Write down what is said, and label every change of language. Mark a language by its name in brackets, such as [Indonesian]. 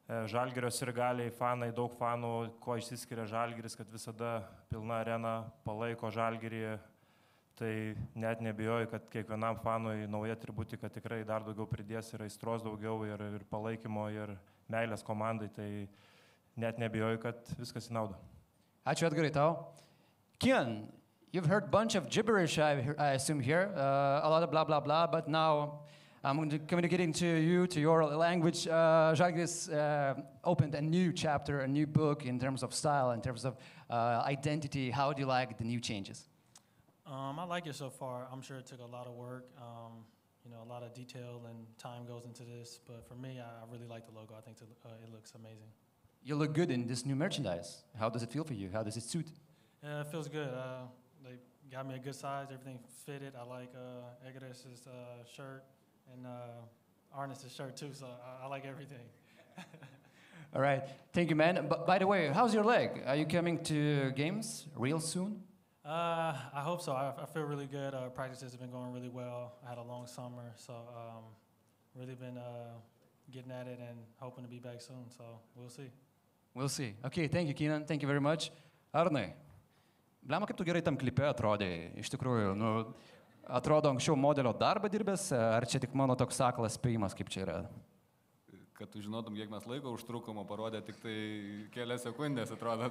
[Lithuanian] Žalgirio sirgaliai, fanai, daug fanų, ko išsiskiria Žalgiris, kad visada pilna arena palaiko Žalgirį, tai net nebijoju, kad kiekvienam fanui nauja atributika tikrai dar daugiau pridės ir aistros daugiau ir palaikymo ir meilės komandai, tai net nebijoju, kad viskas į naudą. Ačiū Edgarai tau. [English] Keenan, you've heard a bunch of gibberish, I assume here, a lot of blah, blah, blah, but now I'm communicating to you, to your language. Žalgiris opened a new chapter, a new book in terms of style, in terms of identity. How do you like the new changes? I like it so far. I'm sure it took a lot of work, you know, a lot of detail and time goes into this. But for me, I really like the logo. I think it looks amazing. You look good in this new merchandise. How does it feel for you? How does it suit? Yeah, it feels good. They got me a good size. Everything fitted. I like Egeres' shirt and Arnis' shirt, too. So I like everything. All right. Thank you, man. But by the way, how's your leg? Are you coming to games real soon? I hope so. I feel really good. Practices have been going really well. I had a long summer, so really been getting at it and hoping to be back soon. So we'll see. We'll see. Okay, thank you, Keenan. Thank you very much. [Lithuanian] Arnai, blema, kaip tu gerai tam klipe atrodėjai? Iš tikrųjų, nu, atrodo anksčiau modelio darbą dirbęs, ar čia tik mano toks aklas spėjimas, kaip čia yra? Kad tu žinotum, kiek mes laiko užtrukumo parodė, tik tai kelias sekundės atrodo.